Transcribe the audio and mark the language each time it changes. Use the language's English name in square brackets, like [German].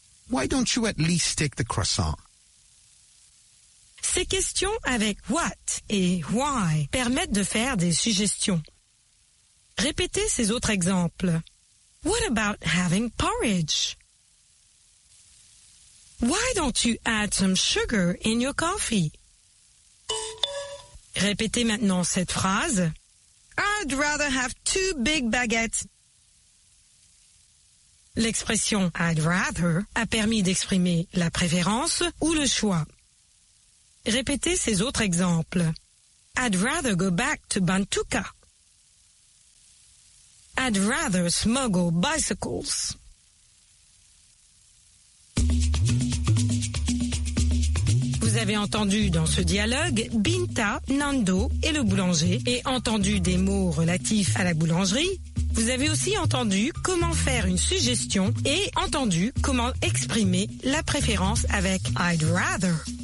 [English] Why don't you at least take the croissant? [French] Ces questions avec what et why permettent de faire des suggestions. Répétez ces autres exemples. [English] What about having porridge? Why don't you add some sugar in your coffee? [French] Répétez maintenant cette phrase. [English] I'd rather have two big baguettes. [French] L'expression [English] I'd rather [French] a permis d'exprimer la préférence ou le choix. Répétez ces autres exemples. [English] I'd rather go back to Bantuka. I'd rather smuggle bicycles. [French] Vous avez entendu dans ce dialogue Binta, Nando et le boulanger et entendu des mots relatifs à la boulangerie. Vous avez aussi entendu comment faire une suggestion et entendu comment exprimer la préférence avec [English] I'd rather.